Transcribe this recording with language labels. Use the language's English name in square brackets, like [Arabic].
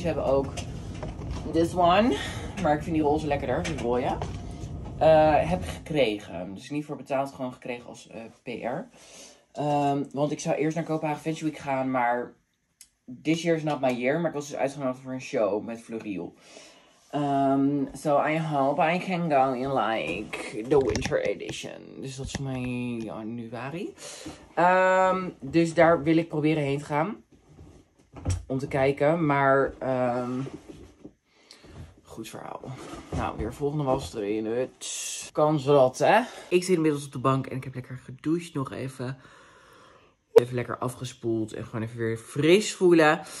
[Dutch] We hebben ook [English] this one. [Dutch] Maar ik vind die roze lekkerder. Die rode. Heb ik gekregen. Dus niet voor betaald. Gewoon gekregen als PR. Want ik zou eerst naar Kopenhagen Fashion Week gaan, maar [English] this year is not my year. [Dutch] Maar ik was dus uitgenodigd voor een show met Fleuriel. [English] So I hope I can go in like the winter edition. [Dutch] Dus dat is voor mij januari. Dus daar wil ik proberen heen te gaan. Om te kijken, maar goed verhaal. Nou, weer volgende was erin. Het kan zat, hè? Ik zit inmiddels op de bank en ik heb lekker gedoucht nog even. Even lekker afgespoeld en gewoon even weer fris voelen.